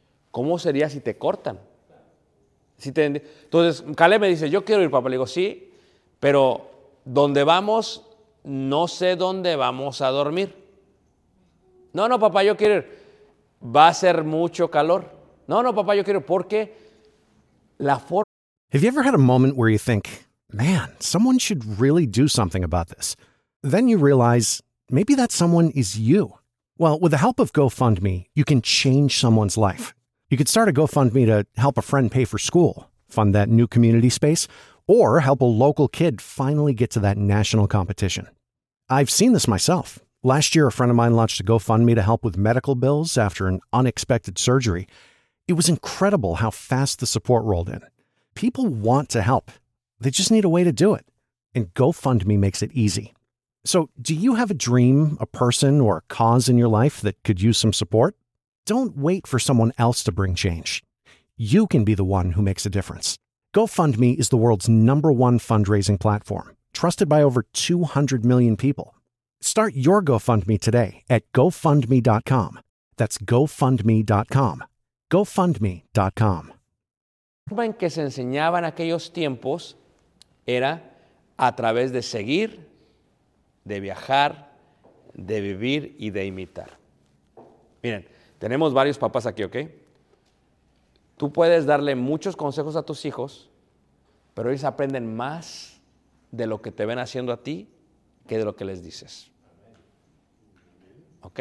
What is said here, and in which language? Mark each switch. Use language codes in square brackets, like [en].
[es] ¿Cómo sería si te cortan? ¿Sí te Entonces, Caleb me dice, yo quiero ir, papá. Le digo, sí, pero ¿dónde vamos? No sé dónde vamos a dormir. No, papá, yo quiero ir. Va a ser mucho calor. No, papá, yo quiero ir porque la forma... [en] Have you ever had a moment where you think, man, someone should really do something about this? Then you realize, maybe that someone is you. Well, with the help of GoFundMe, you can change someone's life. You could start a GoFundMe to help a friend pay for school, fund that new community space, or help a local kid finally get to that national competition. I've seen this myself. Last year, a friend of mine launched a GoFundMe to help with medical bills after an unexpected surgery. It was incredible how fast the support rolled in. People want to help. They just need a way to do it. And GoFundMe makes it easy. So, do you have a dream, a person, or a cause in your life that could use some support? Don't wait for someone else to bring change. You can be the one who makes a difference. GoFundMe is the world's number one fundraising platform, trusted by over 200 million people. Start your GoFundMe today at GoFundMe.com. That's GoFundMe.com. GoFundMe.com. [es] La forma en que se enseñaba en aquellos tiempos era a través de seguir, de viajar, de vivir y de imitar. Miren, tenemos varios papás aquí, ¿ok? Tú puedes darle muchos consejos a tus hijos, pero ellos aprenden más de lo que te ven haciendo a ti que de lo que les dices. ¿Ok?